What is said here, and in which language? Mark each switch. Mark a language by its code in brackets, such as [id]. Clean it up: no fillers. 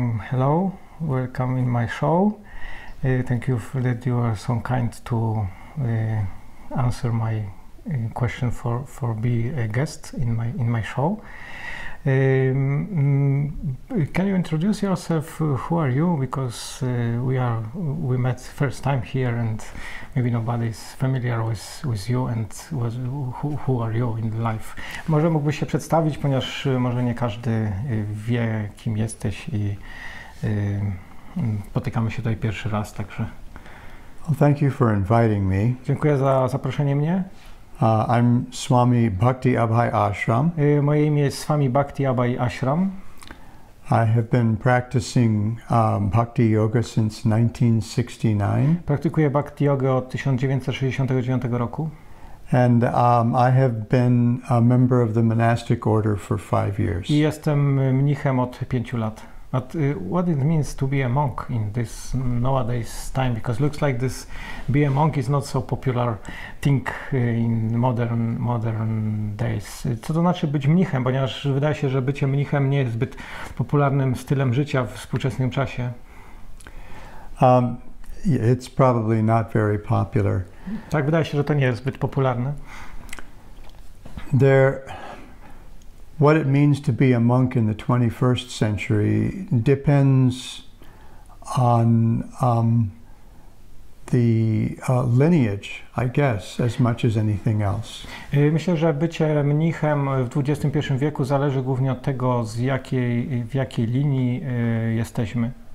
[en] Hello, welcome in my show. Thank you for that you are so kind to answer my question for be a guest in my show. Can you introduce yourself? Who are you? Because we met first time here, and maybe nobody's familiar with you and who are you in life. [pl] Może mógłbyś się przedstawić, ponieważ może nie każdy wie, kim jesteś i spotykamy się tutaj pierwszy raz, także. [en] Well, thank you for inviting me. [pl] Dziękuję za zaproszenie mnie. [en] I'm Swami Bhakti Abhay Ashram. [pl] Moje imię jest Swami Bhakti Abhay Ashram. [en] I have been practicing Bhakti Yoga since 1969. [pl] Praktykuję Bhakti Yoga od 1969 roku. [en] And I have been a member of the monastic order for 5 years. [pl] I jestem mnichem od 5 lat. [en] But what it means to be a monk in this nowadays time? Because it looks like this be a monk is not so popular thing in modern days. [pl] Co to znaczy być mnichem? Ponieważ wydaje się, że bycie mnichem nie jest zbyt popularnym stylem życia w współczesnym czasie. [en] It's probably not very popular. [pl] Tak, wydaje się, że to nie jest zbyt popularne. [en] What it means to be a monk in the 21st century depends on the lineage, I guess, as much as anything else. [pl] Myślę, że bycie mnichem w XXI wieku zależy głównie od tego, w jakiej linii jesteśmy.